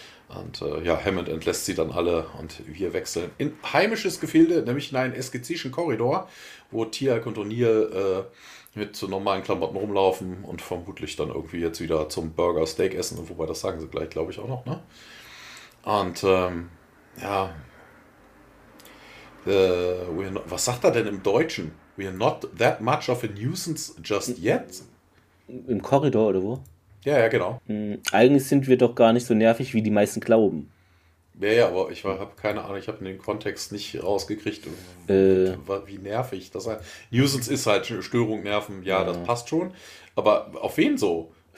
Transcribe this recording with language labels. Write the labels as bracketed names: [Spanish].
[German] Und ja, Hammond entlässt sie dann alle und wir wechseln in heimisches Gefilde, nämlich in einen SGC'schen Korridor, wo Teal'c und O'Neill mit so normalen Klamotten rumlaufen und vermutlich dann irgendwie jetzt wieder zum Burger Steak essen, wobei das sagen sie gleich, glaube ich, auch noch, ne? Und, ja, [English] we're not, [German] was sagt er denn im Deutschen? [English] We're not that much of a nuisance just yet? [German] Im Korridor oder wo? Ja, ja, genau. Eigentlich sind wir doch gar nicht so nervig, wie die meisten glauben. Ja, ja, aber ich habe keine Ahnung, ich habe den Kontext nicht rausgekriegt, wie nervig das heißt. Nuisance ist halt Störung, Nerven, ja, ja, das passt schon, aber auf wen so?